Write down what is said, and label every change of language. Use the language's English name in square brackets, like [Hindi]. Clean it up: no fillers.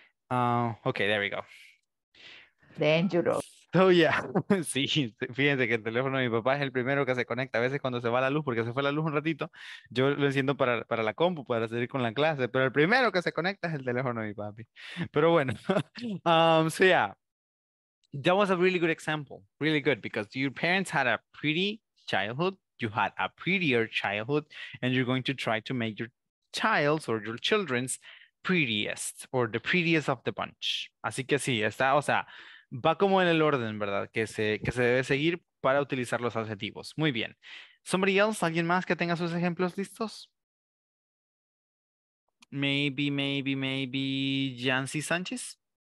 [English] Okay, there we go. Dangerous. So yeah, [Spanish] sí, fíjense que el teléfono de mi papá es el primero que se conecta. A veces cuando se va la luz, porque se fue la luz un ratito, yo lo enciendo para la compu, para seguir con la clase, pero el primero que se conecta es el teléfono de mi papi. Pero bueno, [English] so yeah, that was a really good example, really good, because your parents had a pretty childhood, you had a prettier childhood, and you're going to try to make your child's or your children's prettiest, or the prettiest of the bunch. [Spanish] Así que sí, está, o sea, va como en el orden, ¿verdad? Que se debe seguir para utilizar los adjetivos. Muy bien. [English] Somebody else, [Spanish] alguien más que tenga sus ejemplos listos. [English] Maybe Yancy Sánchez.